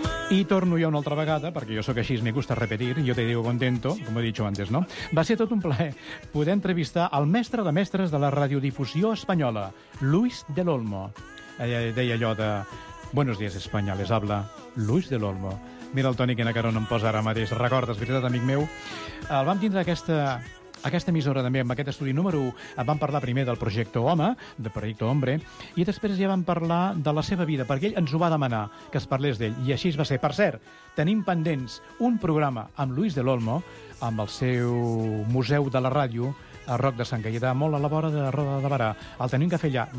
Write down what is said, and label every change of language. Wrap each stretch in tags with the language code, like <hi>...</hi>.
<ca>I torno jo una altra vegada, perquè jo sóc així,</ca> <es>me gusta repetir, yo te digo contento, como he dicho antes, ¿no?</es> <ca>Va ser tot un plaer poder entrevistar el mestre de mestres de la radiodifusió espanyola, Luis del Olmo. Deia allò de...</ca> <es>Buenos días, españoles, habla Luis del Olmo.</es> <ca>Mira el Toni quina cara on em posa ara mateix. Recordes, veritat, amic meu? El vam tindre aquesta emissora també, amb aquest estudi número 1, vam parlar primer del projecte Home, del projecte Hombre, i després ja vam parlar de la seva vida, perquè ell ens ho va demanar, que es parlés d'ell, i així es va ser. Per cert, tenim pendents un programa amb Luis del Olmo, amb el seu museu de la ràdio, a Roc de Sant Gaietà, molt a la vora de Roda de Barà. El tenim que fer allà.</ca>